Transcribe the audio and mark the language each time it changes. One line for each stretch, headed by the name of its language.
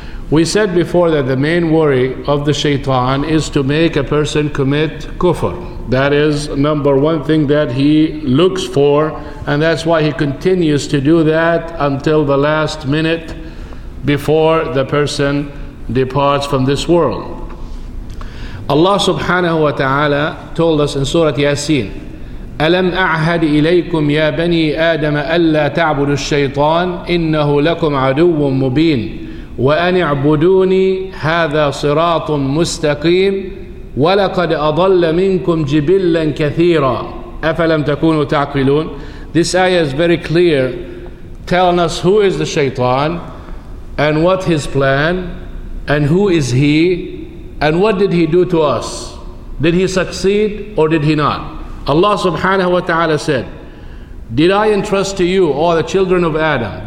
English: We said before that the main worry of the shaitan is to make a person commit kufr. That is number one thing that he looks for, and that's why he continues to do that until the last minute before the person departs from this world. Allah subhanahu wa ta'ala told us in Surah Yasin,
Arabic: أَلَمْ أَعْهَدْ إِلَيْكُمْ يَا بَنِي آدَمَ أَلَّا تَعْبُدُوا الشَّيْطَانِ إِنَّهُ لَكُمْ عَدُوٌ مُّبِينٌ وَأَنِ اعْبُدُونِي هَذَا صِرَاطٌ مُسْتَقِيمٌ وَلَقَدْ أَضَلَّ مِنْكُمْ جِبِلًّا كَثِيرًا أَفَلَمْ تَكُونُوا تَعْقِلُونَ.
English: This ayah is very clear, telling us who is the shaitan and what his plan and who is he and what did he do to us. Did he succeed or did he not? Allah subhanahu wa ta'ala said, did I entrust to you all the children of Adam?